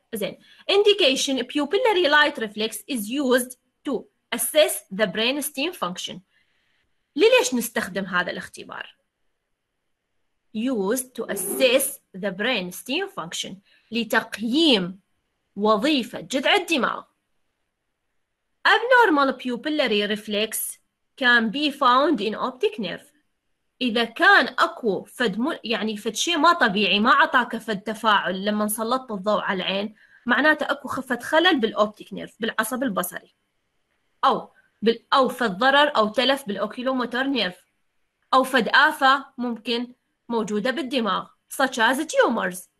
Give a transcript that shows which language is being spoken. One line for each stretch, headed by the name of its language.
English: زين. Indication pupillary light reflex is used to assess the brain stem function.
Arabic: ليش نستخدم هذا الاختبار؟
English: Used to assess the brain stem function،
Arabic: لتقييم وظيفة جذع الدماغ.
English: Abnormal pupillary reflex can be found in optic nerve.
Arabic: إذا كان أكو فد يعني فد شيء ما طبيعي، ما عطاك فد تفاعل لما نسلط الضوء على العين، معناته أكو خفة خلل بالأوبتيك نيرف، بالعصب البصري، أو فد ضرر أو تلف بالأوكيلوموتر نيرف، أو فد آفة ممكن موجودة بالدماغ،
English: such as tumors.